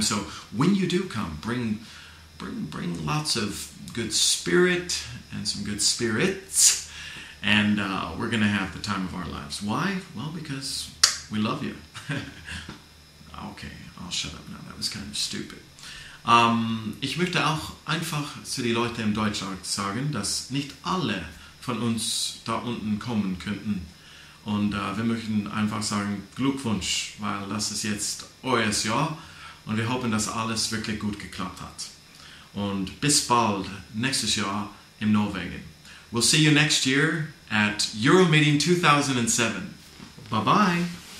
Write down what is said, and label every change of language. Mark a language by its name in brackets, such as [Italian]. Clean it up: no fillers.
[English] So when you do come, bring lots of good spirit and some good spirits, and we're going to have the time of our lives. Why? Well, because we love you. Okay, I'll shut up now. That was kind of stupid. [German] Ich möchte auch einfach zu die Leute im Deutschland sagen, dass nicht alle von uns da unten kommen könnten. Und wir möchten einfach sagen Glückwunsch, weil das ist jetzt euer Jahr. Und wir hoffen, dass alles wirklich gut geklappt hat. Und bis bald, nächstes Jahr in Norwegen. [English] We'll see you next year at Euromeeting 2007. Bye-bye.